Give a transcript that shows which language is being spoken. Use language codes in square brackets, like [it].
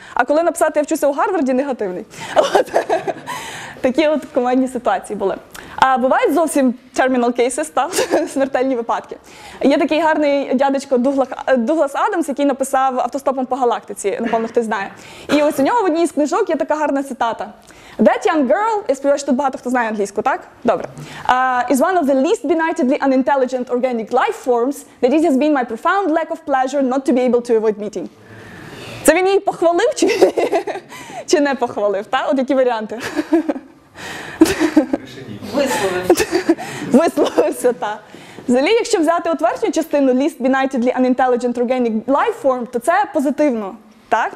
[uk] А коли написати «я вчуся у Гарварді» – негативний. От. Такі от командні ситуації були. А бувають зовсім [en] terminal cases, [uk] та? Смертельні випадки. Є такий гарний дядечко Дуглас Адамс, який написав «Автостопом по галактиці», напевно, хтось знає. І ось у нього в одній з книжок є така гарна цитата. [en] That young girl, [uk] я сподіваюся, що тут багато хто знає англійську, так? Добре. [en] Is one of the least benightedly unintelligent organic life forms that it has been my profound lack of pleasure not to be able to avoid meeting. [uk] Це він її похвалив чи, чи не похвалив, так? От які варіанти? Висловився, так. Взагалі, якщо взяти от верхню частину [en] least benightedly unintelligent organic life form, [uk] то це позитивно. Так?